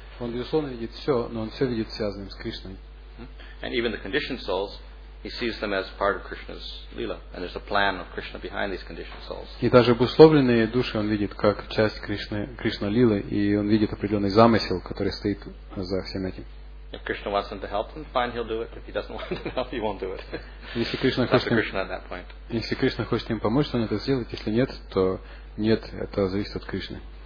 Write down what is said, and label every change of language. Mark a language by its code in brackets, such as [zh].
[ru] Он безусловно видит все, но он все видит связанным с Кришной. [en] And even the conditioned souls, he sees them as part of Krishna's lila, and there's a plan of Krishna behind these conditioned souls. [ru] И даже обусловленные души он видит как часть Кришна лилы, и он видит определенный замысел, который стоит за всем этим. [en] If Krishna wants them to help him, fine, he'll do it. If he doesn't want them to help, he won't do it. [ru] Если Кришна хочет им, [en] Krishna at that point. [ru] Если Кришна хочет им помочь, он это сделает. Если нет, то нет, это зависит от Кришны.